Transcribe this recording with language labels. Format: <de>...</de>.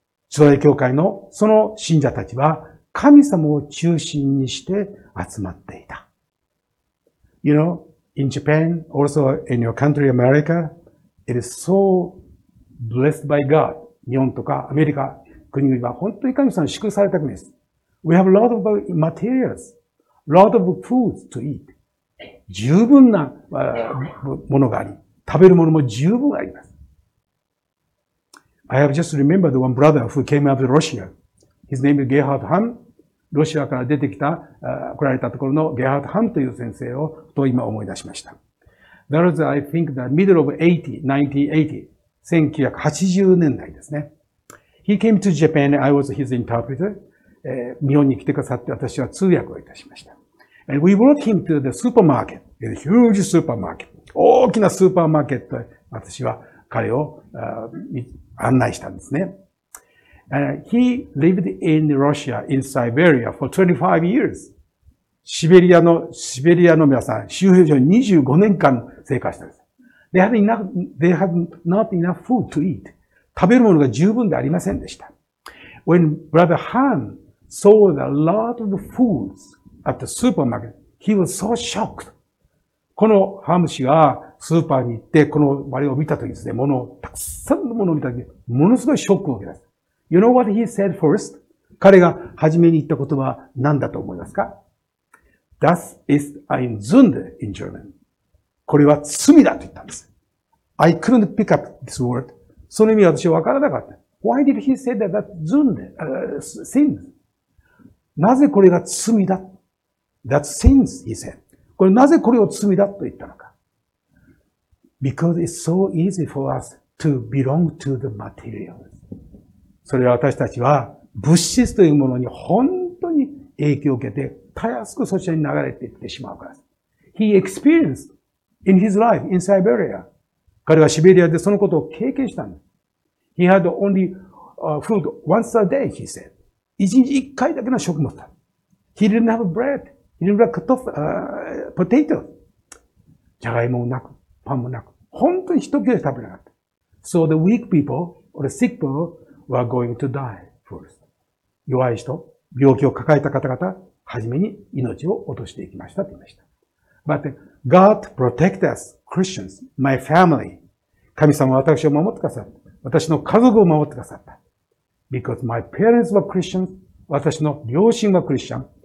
<ja>初代教会のその信者たちは神様を中心にして集まっていた。</ja> <en>You know,In Japan, also in your country, America, it is so blessed by God.</en> <ja>日本とかアメリカ、国々は本当に神様に祝福された国です。</ja> <en>We have a lot of materials, a lot of foods to eat.</en> <ja>十分なものがあり、食べるものも十分あります。</ja> <en>I have just remembered one brother who came out of Russia. His name is Gerhard Hahn.</en> <ja>ロシアから出てきた、来られたところのゲハート・ハンという先生をと今思い出しました。</ja> <en>That was, I think, the middle of</en> <ja>1980年代ですね。</ja> <en>He came to Japan and I was his interpreter.、</en> <ja>日本に来てくださって私は通訳をいたしました。</ja> <en>And we brought him to the supermarket, a huge supermarket.</en> <ja>大きなスーパーマーケットで私は彼を、案内したんですね。</ja> <en>He lived in Russia, in Siberia for 25 years.</en> <ja>シベリアの皆さん、収容所に25年間生活したんです。</ja> <en>They had not enough food to eat.</en> <ja>食べるものが十分でありませんでした。</ja> <en>When Brother Han saw a lot of foods at the supermarket, he was so shocked.</en> <ja>このハム氏がスーパーに行って、この我を見たときですね、たくさんのものを見たとき、ものすごいショックを受けた。</ja> <en>You know what he said first?</en> <ja>彼が初めに言った言葉は何だと思いますか?</ja> <de>Das ist ein Sünde</de> <en>in German.</en> <ja>これは罪だと言ったんです。</ja> <en>I couldn't pick up this word.</en> <ja>その意味は私は分からなかった。</ja> <en>Why did he say that that Sünde, sin?</en> <ja>なぜこれが罪だ?</ja> <en>That's sins, he said.</en> <ja>これなぜこれを罪だと言ったのか?</ja> <en>Because it's so easy for us to belong to the material.</en> <ja>それは私たちは物質というものに本当に影響を受けて、たやすくそちらに流れていってしまうからです。</ja> <en>He experienced in his life in Siberia.</en> <ja>彼はシベリアでそのことを経験したんです。</ja> <en>He had only food once a day, he said.</en> <ja>一日一回だけの食物だ。</ja> <en>He didn't have bread. He didn't have potato.</en> <ja>じゃがいもなく、パンもなく、本当に一切れ食べなかった。</ja> <en>So the weak people or the sick people,We're going to die first.</en> <ja>弱い人、病気を抱えた方々、はじめに命を落としていきましたと言いました。</ja> <en>But God protect us, Christians, my family.</en> <ja>神様は私を守ってくださった。私の家族を守ってくださった。</ja> <en>Because my parents were Christians,</en> <ja>私の両親はクリスチャン。</ja>